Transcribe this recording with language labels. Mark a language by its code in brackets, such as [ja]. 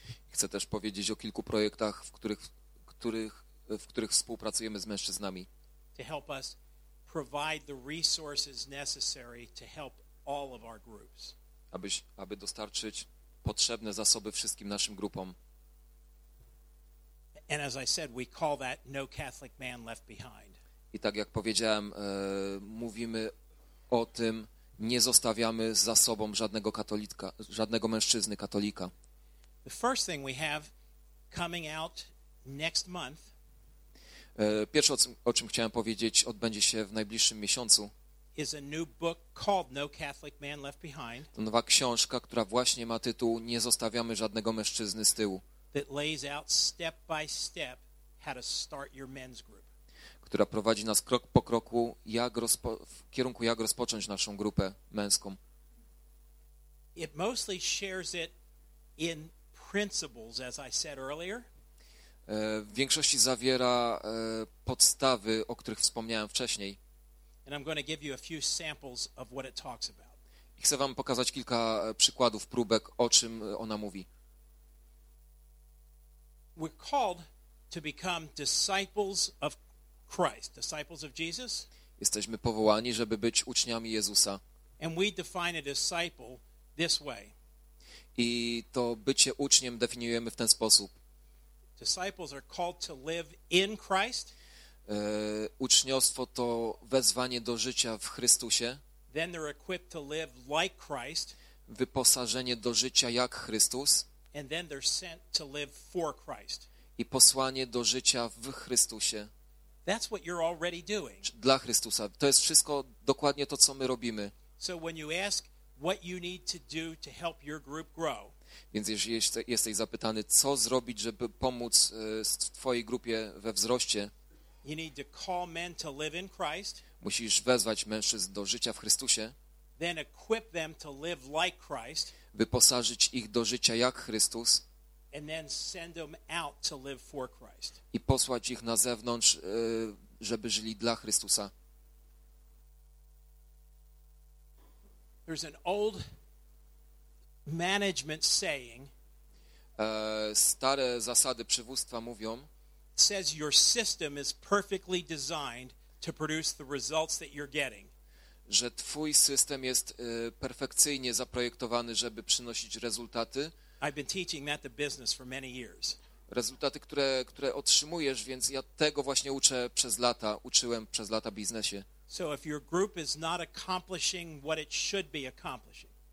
[pl] Chcę też powiedzieć o kilku projektach, w których współpracujemy z mężczyznami. [en] To help us provide the resources necessary to help all of our groups. [pl] Aby dostarczyć potrzebne zasoby wszystkim naszym grupom. [en] And as I said, we call that no Catholic man left behind. [pl] I tak jak powiedziałem, mówimy o tym, nie zostawiamy za sobą żadnego katolika, żadnego mężczyzny katolika. [en] The first thing we have coming out next month. [pl] Pierwsze, o czym chciałem powiedzieć, odbędzie się w najbliższym miesiącu. [en] Is a new book called No Catholic Man Left Behind. [pl] To nowa książka, która właśnie ma tytuł Nie zostawiamy żadnego mężczyzny z tyłu. [en] That lays out step by step how to start your men's group. [pl] Która prowadzi nas krok po kroku, w kierunku jak rozpocząć naszą grupę męską. [en] It mostly shares it in principles, as I said earlier. [pl] W większości zawiera podstawy, o których wspomniałem wcześniej. [en] And I'm going to give you a few samples of what it talks about. [pl] I chcę wam pokazać kilka przykładów, próbek, o czym ona mówi. [en] We're called to become disciples of Christ, disciples of Jesus. [pl] Jesteśmy powołani, żeby być uczniami Jezusa. [en] And we define a disciple this way. [pl] I to bycie uczniem definiujemy w ten sposób. [en] Disciples are called to live in Christ. [pl] Uczniostwo to wezwanie do życia w Chrystusie. [en] Then they're equipped to live like Christ. [pl] Wyposażenie do życia jak Chrystus. [en] And then they're sent to live for Christ. [pl] I posłanie do życia w Chrystusie. [en] That's what you're already doing. [pl] Dla Chrystusa. To jest wszystko dokładnie to, co my robimy. [en] So when you ask what you need to do to help your group grow, [pl] więc jeżeli jesteś zapytany, co zrobić, żeby pomóc twojej grupie we wzroście, [en] you need to call men to live in Christ, [pl] musisz wezwać mężczyzn do życia w Chrystusie, [en] then equip them to live like Christ, [pl] wyposażyć ich do życia jak Chrystus, [en] and then send them out to live for Christ, [pl] i posłać ich na zewnątrz, żeby żyli dla Chrystusa. [en] There's an old management saying, [pl] stare zasady przywództwa mówią, [en] says your system is perfectly designed to produce the results that you're getting, [pl] że twój system jest perfekcyjnie zaprojektowany, żeby przynosić rezultaty. [en] I've been teaching that to business for many years. [pl] Rezultaty, które otrzymujesz, więc ja tego właśnie uczę przez lata, uczyłem przez lata biznesie. [en] So if your group is not accomplishing what it should be accomplishing.